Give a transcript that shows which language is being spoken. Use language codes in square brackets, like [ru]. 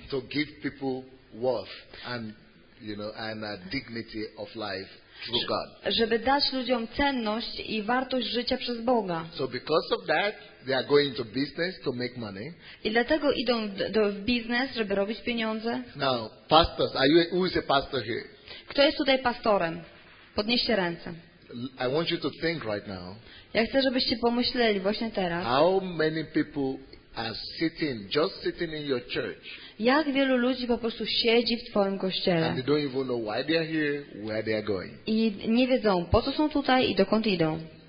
[en] To give people worth and, you know, and a dignity of life through God. [pl] Żeby dać ludziom cenność i wartość życia przez Boga. [en] So because of that, they are going to business to make money. [pl] I dlatego idą w biznes, żeby robić pieniądze. [en] Now, pastors, who is a pastor here? [pl] Kto jest tutaj pastorem? Podnieście ręce. [en] I want you to think right now. [pl] Ja chcę, żebyście pomyśleli właśnie teraz. [en] How many people are sitting, just sitting in your church? [pl] Jak wielu ludzi po prostu siedzi w twoim kościele? [en] And they don't even know why they are here, where they are going. [pl] I nie wiedzą, po co są tutaj i dokąd idą.